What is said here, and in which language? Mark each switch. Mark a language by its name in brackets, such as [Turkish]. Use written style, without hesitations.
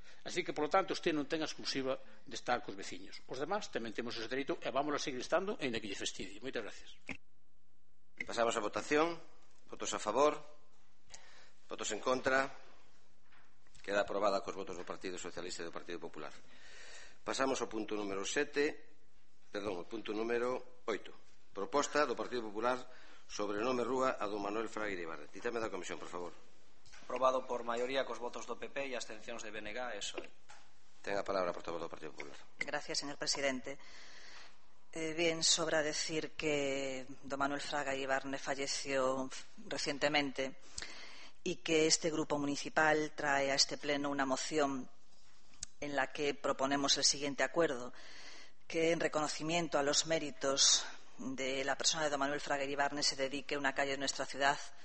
[Galician] Así que, por lo tanto, usted non ten a exclusiva de estar cos veciños. Os demás tamén temos ese dereito e vamos a seguir estando en aquí de fastidio. Moitas gracias. Pasamos a votación. Votos a favor. Votos en contra. Queda aprobada cos votos do Partido Socialista e do Partido Popular. Pasamos ao punto número 7. Perdón, ao punto número 8. Proposta do Partido Popular sobre o nome rúa a don Manuel Fraga Iribarne. Dítame da comisión, por favor. Aprobado por maioría cos votos do PP e abstencións de BNG, eso. Ten a palabra, portavoz do Partido Popular. [Spanish] Gracias, señor presidente. Bien, sobra decir que don Manuel Fraga Iribarne falleció recientemente [Galician] e que este grupo municipal trae a este pleno unha moción [Spanish] en la que proponemos el siguiente acuerdo, que en reconocimiento a los méritos de la persona de don Manuel Fraga Iribarne se dedique una calle de nuestra ciudad